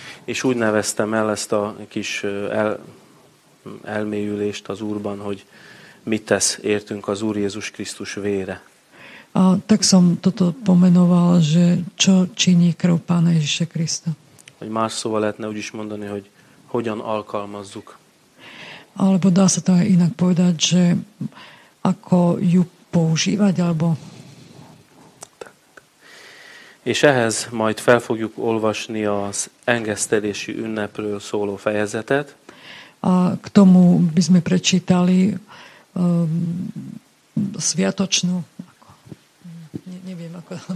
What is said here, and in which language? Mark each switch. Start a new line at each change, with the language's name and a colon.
Hungarian: És úgy neveztem el ezt a kis elmélyülést az Úrban, hogy mit tesz értünk az Úr Jézus Krisztus vére.
Slovak: A tak som toto pomenoval, že čo činí krv Pána Ježíša Krista.
Hungarian: Hogy más szóval lehetne úgy is mondani, hogy hogyan alkalmazzuk.
Slovak: Alebo dá sa to aj inak povedať, že ako ju používať, alebo...
Hungarian: És ehhez majd fel fogjuk olvasni az engesztelési ünnepről szóló fejezetet.
Slovak: A k tomu by sme prečítali sviatočnú... Neviem, ako...